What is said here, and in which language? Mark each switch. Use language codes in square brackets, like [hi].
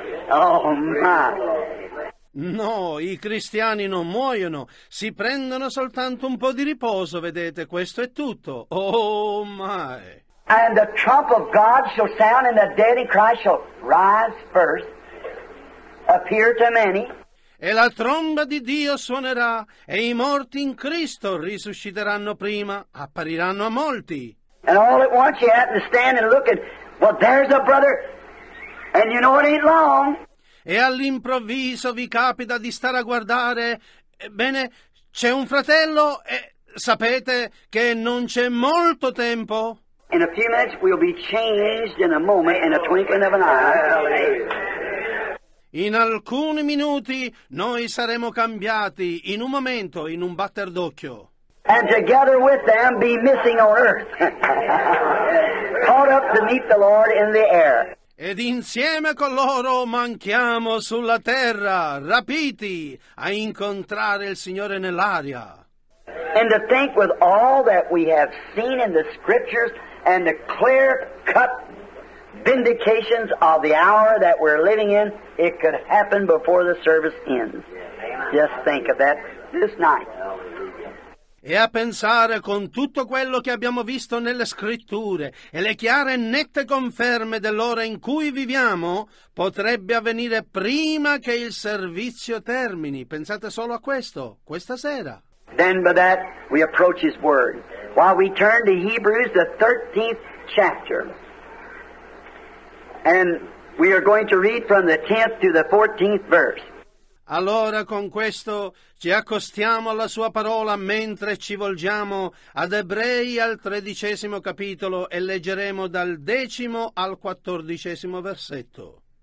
[en] Oh my. [it] No, i cristiani non muoiono, si prendono soltanto un po' di riposo, vedete, questo è tutto. [en] Oh my. And the trump of God shall sound, and the dead in Christ shall rise first, appear to many. [it] E la tromba di Dio suonerà, e i morti in Cristo risusciteranno prima, appariranno a molti. [en] And all at once you happen to stand and look, and well, there's a brother, and you know it ain't long. [it] E all'improvviso vi capita di stare a guardare, bene, c'è un fratello, e sapete che non c'è molto tempo. [en] In a few minutes we'll be changed in a moment, in a twinkling of an eye. [it] In alcuni minuti noi saremo cambiati, in un momento, in un batter d'occhio. [en] And together with them be missing on earth. Caught up to meet the Lord in the air. [it] Ed insieme con loro manchiamo sulla terra, rapiti a incontrare il Signore nell'aria. [en] And to think with all that we have seen in the scriptures and the clear-cut vindications of the hour that we're living in, it could happen before the service ends. Just think of that this night. [it] E a pensare con tutto quello che abbiamo visto nelle scritture e le chiare e nette conferme dell'ora in cui viviamo, potrebbe avvenire prima che il servizio termini. Pensate solo a questo, questa sera. [en] Then by that we approach His Word. While we turn to Hebrews, the 13th chapter. And we are going to read from the 10th to the 14th verse. [it] Allora con questo ci accostiamo alla sua parola mentre ci volgiamo ad Ebrei al 13° capitolo e leggeremo dal 10° al 14° versetto.